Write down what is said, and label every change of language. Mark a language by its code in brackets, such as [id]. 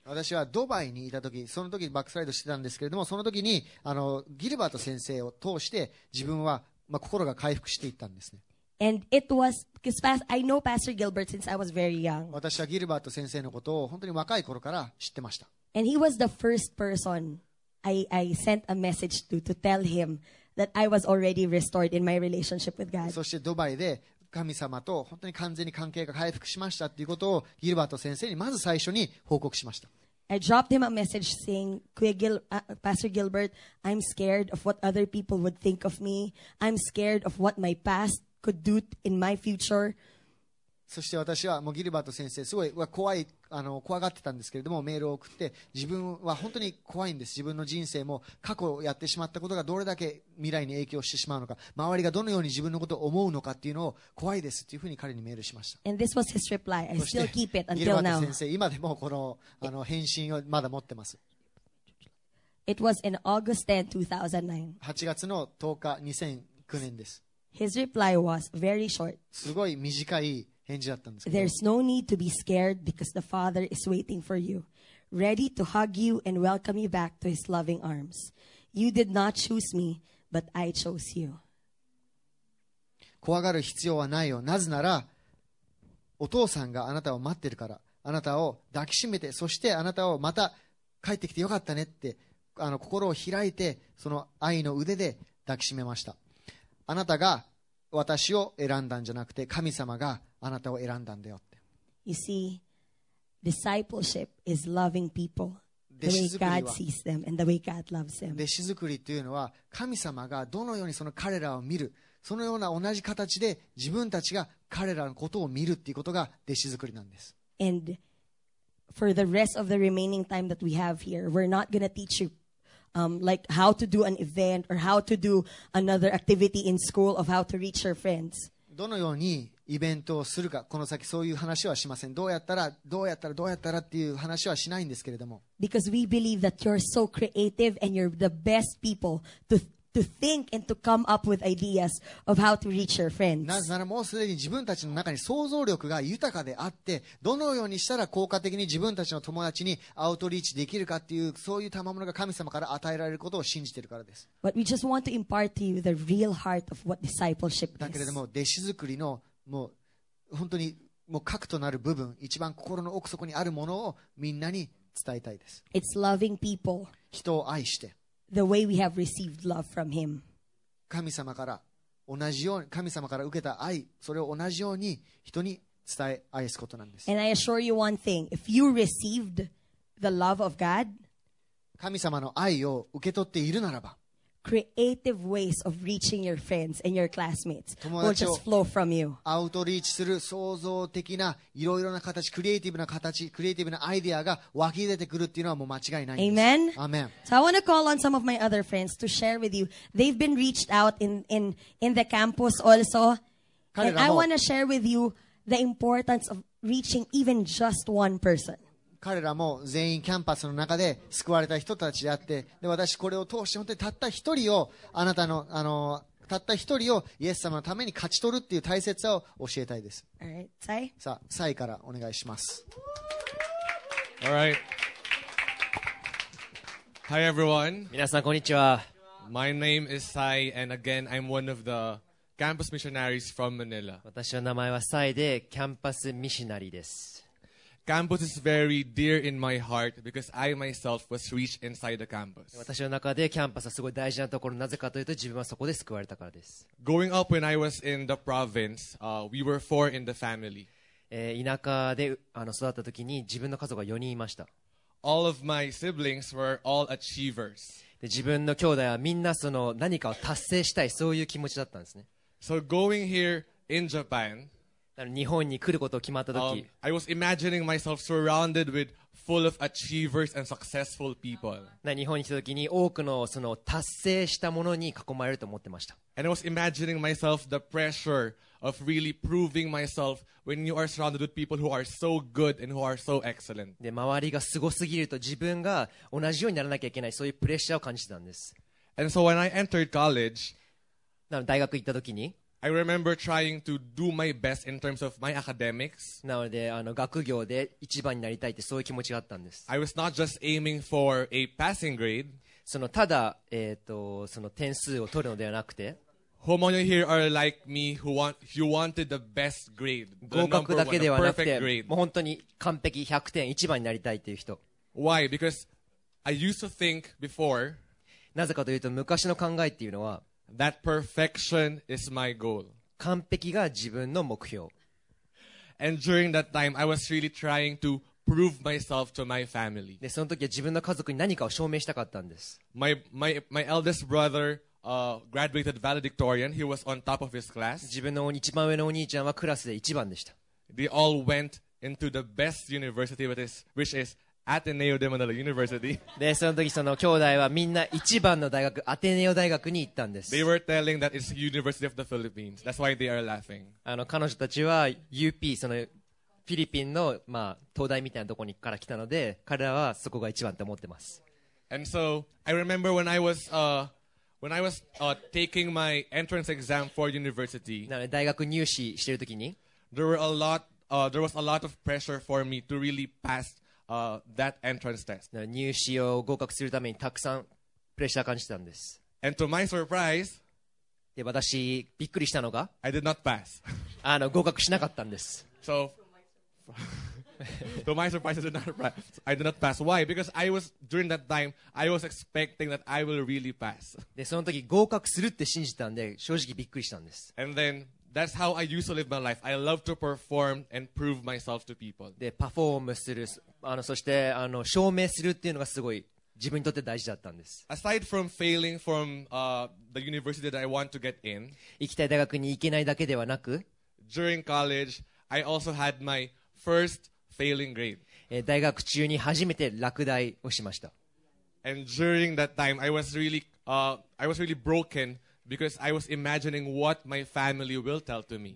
[ja] 私はドバイにいた時、その時バックスライドしてたんですけれども、その時にギルバート先生を通して自分は、まあ、心が回復していったんですね。 [en] And it was because I know Pastor Gilbert since I was very young. [ja] 私はギルバート先生のことを本当に若い頃から知ってました。 [en] And he was the first person. I sent a message to tell him that I was already restored in my relationship with God. [ja] そしてドバイで神様と本当に完全に関係が回復しましたということをギルバート先生にまず最初に報告しました。 [en] I dropped him a message saying, Pastor Gilbert, I'm scared of what other people would think of me. I'm scared of what my past could do in my future. [ja] そして私はもうギルバート先生すごい怖い怖がってたんですけれども、メールを送って、自分は本当に怖いんです、自分の人生も過去をやってしまったことがどれだけ未来に影響してしまうのか、周りがどのように自分のことを思うのかっていうのを怖いですというふうに彼にメールしました。 [en] And this was his reply. I still keep it until now. [ja] ギルバート先生、今でもこの返信をまだ持ってます。 [en] It was in August 10, 2009. [ja] 8月の10日2009年です。 [en] His reply was very short. [ja] すごい短い返事だったんですけど、 [en] There's no need to be scared because the Father is waiting for you, ready to hug you and welcome you back to his loving arms. You did not choose me, but I chose you. [ja] 怖がる必要はないよ。なぜなら、お父さんがあなたを待ってるから、あなたを抱きしめて、そしてあなたをまた帰ってきてよかったねって、心を開いて、その愛の腕で抱きしめました。あなたが私を選んだんじゃなくて、神様があなたを選んだんだよって。 [en] You see, discipleship is loving people the way God sees them and the way God loves them. [ja] 弟子作りというのは、神様がどのようにその彼らを見る、そのような同じ形で自分たちが彼らのことを見るっていうことが弟子作りなんです。 [en] And for the rest of the remaining time that we have here, we're not going to teach you. Like how to do an event or how to do another activity in school of how to reach your friends. [ja] どのようにイベントをするか、この先そういう話はしません。どうやったらっていう話はしないんですけれども。 [en] Because we believe that you're so creative and you're the best people to think and to come up with ideas of how to reach your friends. [ja] なぜならもうすでに自分たちの中に想像力が豊かであって、どのようにしたら効果的に自分たちの友達にアウトリーチできるかっていう、そういう賜物が神様から与えられることを信じているからです。 [en] But we just want to impart to you the real heart of what discipleship is. [ja] だけれども弟子作りのもう本当にもう核となる部分、一番心の奥底にあるものをみんなに伝えたいです。 [en] It's loving people. [ja] 人を愛して。 [en] The way we have received love from Him. [ja] 神様から同じように神様から受けた愛、それを同じように人に伝え愛すことなんです。 [en] And I assure you one thing: if you received the love of God, [ja] 神様の愛を受け取っているならば、 [en] creative ways of reaching your friends and your classmates will just flow from you. [ja] アウトリーチする創造的ないろいろな形、クリエイティブな形、クリエイティブなアイデアが湧き出てくるっていうのはもう間違いないんです。 [en] Amen. Amen. So I want to call on some of my other friends to share with you. They've been reached out in the campus also. And I want to share with you the importance of reaching even just one person. [ja] 彼らも全員キャンパスの中で救われた人たちであって、で私これを通して本当にたった一人をあなたのたった一人をイエス様のために勝ち取るっていう大切さを教えたいです。 [en] Alright, Sai. [ja] さあ、サイからお願いします。 [en] Alright. Hi everyone. [ja] 皆さんこんにちは。 [en] My name is Sai, and again, I'm one of the campus missionaries from Manila. [ja] 私の名前はサイで、キャンパスミシナリです。 [en] Campus is very dear in my heart because I myself was reached inside the campus. [ja] 私の中でキャンパスはすごい大事なところ。なぜかというと、自分はそこで救われたからです。 [en] Growing up when I was in the province, we were four in the family. [ja] 田舎で育った時に自分の家族が4人いました。 [en] All of my siblings were all achievers. [ja] で自分の兄弟はみんなその何かを達成したいそういう気持ちだったんですね。 [en] So going here in Japan, [ja] 日本に来ることを決まった時、 [en] I was imagining myself surrounded with full of achievers and successful people. [ja] 日本に来た時に多くのその達成したものに囲まれると思ってました。 [en] And I was imagining myself the pressure of really proving myself when you are surrounded with people who are so good and who are so excellent. [ja] で周りがすごすぎると自分が同じようにならなきゃいけないそういうプレッシャーを感じたんです。 [en] And so when I entered college, [ja] 大学行った時に、 [en] I remember trying to do my best in terms of my academics. [ja] なので学業で一番になりたいってそういう気持ちがあったんです。 [en] I was not just aiming for a passing grade. [ja] そのただその点数を取るのではなくて、 [en] How many here are like me who want you wanted the best grade? [ja] 合格だけではなくて、もう本当に完璧100点一番になりたいっていう人。 [en] Why? Because I used to think before. [ja] なぜかというと昔の考えっていうのは。 [en] That perfection is my goal. [ja] 完璧が自分の目標。 [en] And during that time, I was really trying to prove myself to my family. [ja] でその時は自分の家族に何かを証明したかったんです。 [en] My eldest brother. Graduated valedictorian. He was on top of his class. [ja] 自分の一番上のお兄ちゃんはクラスで一番でした。 [en] They all went into the best university, which is Ateneo de Manila University. [ja] で、その時その兄弟はみんな一番の大学、アテネオ大学に行ったんです。 [en] They were telling that it's University of the Philippines. That's why they are laughing. [ja] 彼女たちは UP、そのフィリピンの、まあ、東大みたいなとこにから来たので、彼らはそこが一番と思ってます。 [en] And so, I remember when I was, When I was taking my entrance exam for university, [ja] 大学入試してる時に [en] there was a lot of pressure for me to really pass that entrance test. [ja] 入試を合格するためにたくさんプレッシャー感じてたんです。 [en] And to my surprise, [ja] で私びっくりしたのが [en] I did not pass. [ja] 合格しなかったんです。 [en] So, to my surprise, I did not pass. Why? Because I was during that time, I was expecting that I will really pass. [ja] で、その時合格するって信じたんで、正直びっくりしたんです。 [en] And then that's how I used to live my life. I love to perform and prove myself to people. [ja] で、パフォーマンスする、そして証明するっていうのがすごい自分にとって大事だったんです。 [en] Aside from failing from the university that I want to get in, [ja] 行きたい大学に行けないだけではなく、 [en] during college, I also had my first failing grade. [ja] 大学中に初めて落第をしました。 [en] And during that time, I was really broken because I was imagining what my family will tell to me.